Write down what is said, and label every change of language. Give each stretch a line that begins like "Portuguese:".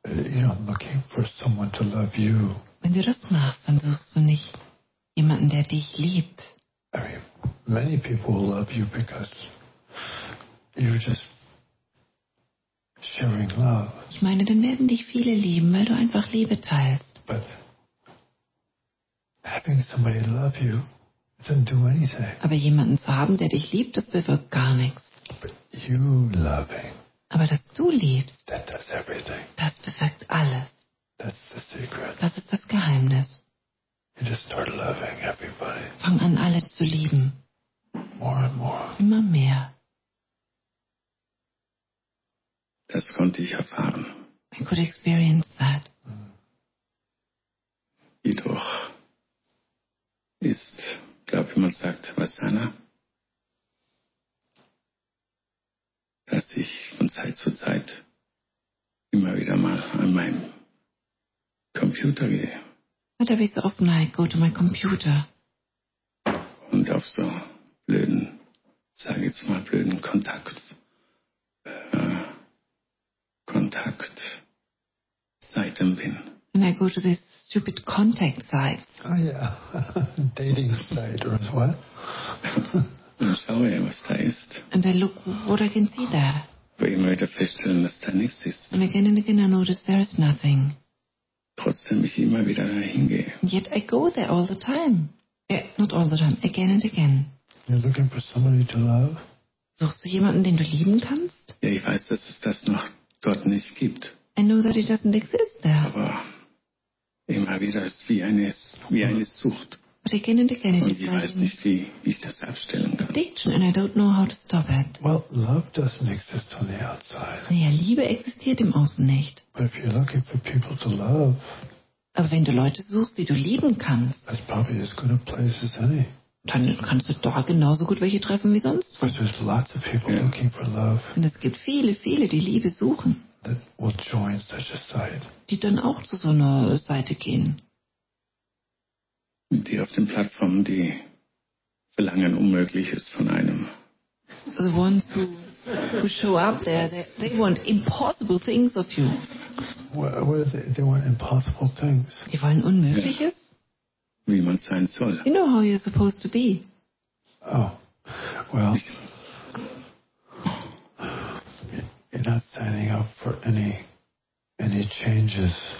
German: Wenn du das machst, dann suchst du nicht jemanden, der dich liebt.
English: I mean, many people love you because you're just sharing love.
German: Ich meine, dann werden dich viele lieben, weil du einfach Liebe teilst.
English: But having somebody love you doesn't do anything.
German: Aber jemanden zu haben, der dich liebt, das bewirkt gar nichts.
English: But you loving,
German: aber dass du liebst,
English: that does everything.
German: Das bewirkt alles.
English: That's the secret.
German: Das ist das Geheimnis.
English: You just start loving everybody.
German: Fang an, alle zu lieben.
English: More and more.
German: Immer mehr. Das konnte ich erfahren.
English: I could experience that.
German: Jedoch ist, glaube ich, man sagt, Vasana, dass ich von Zeit zu Zeit immer wieder mal an meinem Computer gehe.
English: But every so often I go to my computer.
German: Und auf so blöden, sage ich jetzt mal, blöden Kontaktseiten bin.
English: And I go to this stupid contact site. Oh yeah, dating site or what?
German: Und schaue, was da ist.
English: And I look what I can see there.
German: Aber immer wieder feststellen, dass da nichts ist.
English: And again I notice there is nothing.
German: Trotzdem ich immer wieder dahin gehe.
English: And yet I go there all the time. Not all the time, again and again. You're looking for somebody to love? Suchst du jemanden, den du lieben kannst?
German: Ja, ich weiß, dass es das noch dort nicht gibt.
English: I know that it doesn't exist there.
German: Aber immer wieder ist wie eine Sucht.
English: But again and again it is.
German: Und ich weiß nicht, wie ich das abstellen kann.
English: Addiction and I don't know how to stop it. Well, love doesn't exist on the outside.
German: Naja, Liebe existiert im Außen nicht.
English: But if you're looking for people to love,
German: Aber wenn du Leute suchst, die du lieben kannst,
English: that's probably as good a place as any.
German: Dann kannst du da genauso gut welche treffen wie sonst.
English: But there's lots of people looking for love.
German: Und es gibt viele, viele, die Liebe suchen.
English: That will join such a side.
German: Die dann auch zu so einer Seite gehen. Die auf den Plattformen, die verlangen Unmögliches von einem.
English: The ones who show up there, they want impossible things of you. What is it? They want impossible things.
German: Die wollen Unmögliches. Yeah. Wie man sein soll.
English: You know how you're supposed to be. Oh, well, you're not signing up for any changes.